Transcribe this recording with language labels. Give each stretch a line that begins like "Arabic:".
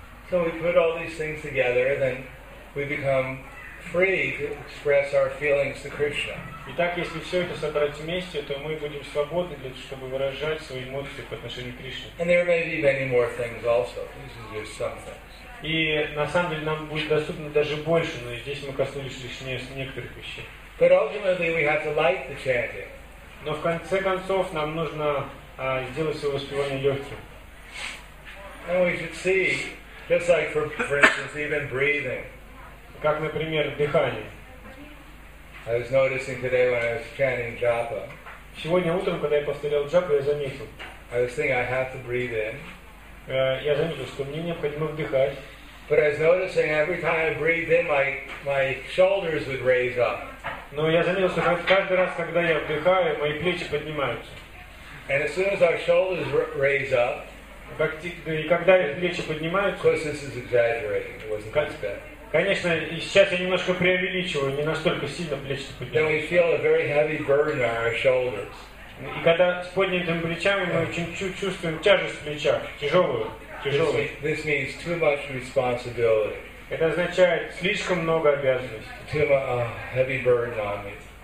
English: So we put all these things together, then we become free to express our feelings to Krishna.
Russian: Итак, если все это собрать вместе, то мы будем свободны для того, чтобы выражать свои эмоции по отношению к Кришне.
English: And there may be many more things also. This is just some things.
Russian: И на самом деле нам будет доступно даже больше, но здесь мы коснулись лишь некоторых вещей.
English: But ultimately, we have to light the chanting.
Russian: Но в конце концов нам нужно сделать свое воспевание легким.
English: And we should see, just like for instance, even breathing.
Russian: Как, например, дыхание.
English: I was noticing today when I was chanting japa.
Russian: Сегодня утром, когда я повторял джапу, я заметил.
English: I was thinking I have to breathe in.
Russian: Я заметил, что мне необходимо вдыхать.
English: But I was noticing every time I breathed in, my shoulders would raise up.
Russian: Но я заметил, что каждый раз, когда я вдыхаю, мои плечи поднимаются.
English: And as soon as our shoulders raise up,
Russian: и когда плечи поднимаются,
English: of course this is exaggerating. It wasn't this bad.
Russian: Конечно, сейчас я немножко преувеличиваю, не настолько сильно плечи поднимаю. И когда с поднятыми плечами, мы очень чувствуем тяжесть в плечах, тяжелую. Это означает слишком много обязанностей.